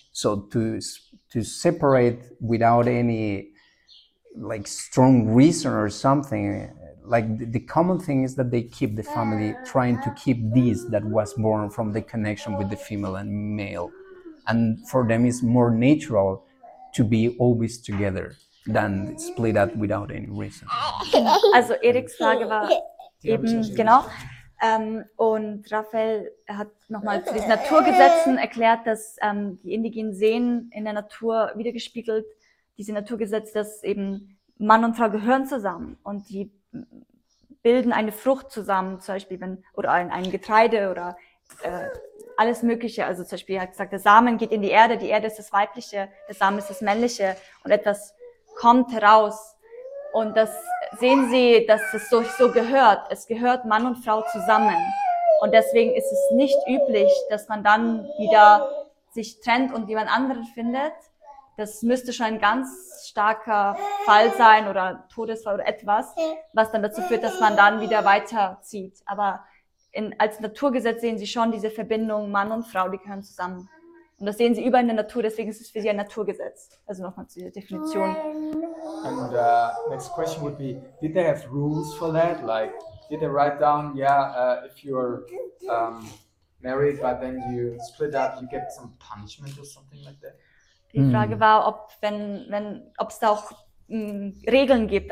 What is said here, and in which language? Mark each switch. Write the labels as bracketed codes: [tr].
[en] So to separate without any like strong reason or something, like the common thing is that they keep the family trying to keep this that was born from the connection with the female and male. And for them it's more natural to be always together than split up without any reason. [de] Also Eriks Frage war eben, genau. Und Raphael hat nochmal zu diesen Naturgesetzen erklärt, dass die Indigenen sehen in der Natur wiedergespiegelt, diese Naturgesetze, dass eben Mann und Frau gehören zusammen und die bilden eine Frucht zusammen, zum Beispiel wenn, oder ein Getreide oder alles Mögliche. Also zum Beispiel hat gesagt, der Samen geht in die Erde ist das Weibliche, der Samen ist das Männliche und etwas kommt heraus. Und das sehen sie, dass es so gehört. Es gehört Mann und Frau zusammen. Und deswegen ist es nicht üblich, dass man dann wieder sich trennt und jemand anderen findet. Das müsste schon ein ganz starker Fall sein oder Todesfall oder etwas, was dann dazu führt, dass man dann wieder weiterzieht. Aber als Naturgesetz sehen sie schon diese Verbindung Mann und Frau, die gehören zusammen. Und das sehen sie überall in der Natur, deswegen ist es für sie ein Naturgesetz. Also nochmal zu dieser Definition. [en] And next question would be, did they have rules for that? Like, did they write down, yeah, if you're married, but then you split up, you get some punishment or something like that? [de] Die Frage war, ob es da auch Regeln gibt.